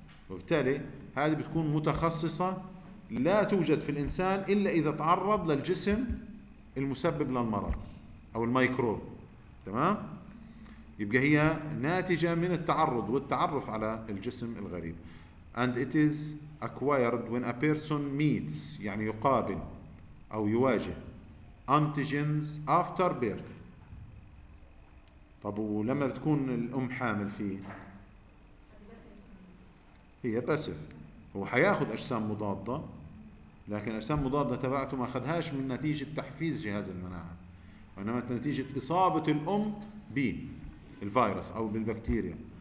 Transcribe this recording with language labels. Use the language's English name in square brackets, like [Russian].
[Arabic] وبالتالي هذه بتكون متخصصة لا توجد في الإنسان إلا إذا تعرض للجسم المسبب للمرض أو الميكروب، تمام؟ يبقى هي ناتجة من التعرض والتعرف على الجسم الغريب. [English] And it is acquired when a person meets، [Arabic] يعني يقابل أو يواجه [English] antigens after birth. [Arabic] طب ولما بتكون الأم حامل فيه؟ هي باسف، هو حياخد أجسام مضادة، لكن أجسام مضادة تبعته ما أخذهاش من نتيجة تحفيز جهاز المناعة، وإنما نتيجة إصابة الأم بالفيروس أو بالبكتيريا.